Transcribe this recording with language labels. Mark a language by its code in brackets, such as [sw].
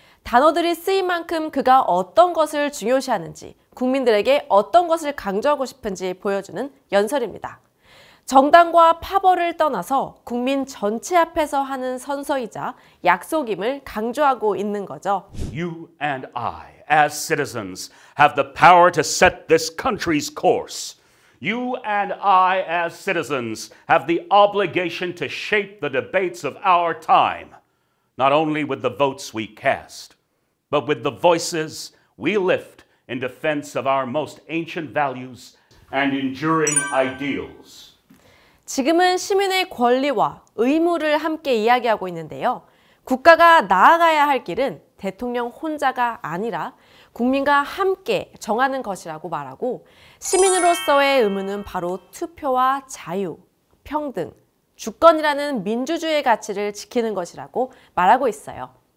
[ko] 단어들이 쓰인 만큼 그가 어떤 것을 중요시하는지, 국민들에게 어떤 것을 강조하고 싶은지 보여주는 연설입니다. 정당과 파벌을 떠나서 국민 전체 앞에서 하는 선서이자 약속임을 강조하고 있는 거죠. [en] You and I, as citizens, have the power to set this country's course. You and I, as citizens, have the obligation to shape the debates of our time, not only with the votes we cast, but with the voices we lift in defense of our most ancient values and enduring ideals. [ko] 지금은 시민의 권리와 의무를 함께 이야기하고 있는데요. 국가가 나아가야 할 길은 대통령 혼자가 아니라 국민과 함께 정하는 것이라고 말하고 시민으로서의 의무는 바로 투표와 자유, 평등, 주권이라는 민주주의 가치를 지키는 것이라고 말하고 있어요.